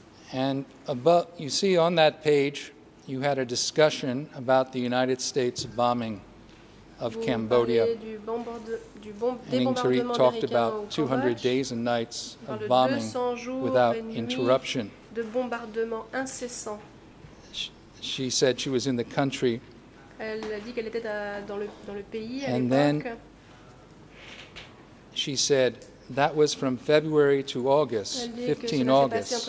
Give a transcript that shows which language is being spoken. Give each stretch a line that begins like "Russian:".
English: And above, you see on that page, you had a discussion about the United States bombing of
French: Vous
English: Cambodia.
French: Du bombardement américain au Cambodge.
English: Talked about 200 days and nights of bombing without interruption.
French: De bombardement incessant.
English: She said she was in the country.
French: Elle dit qu'elle était dans le pays à
English: And then she said that was from February to August, 15 August.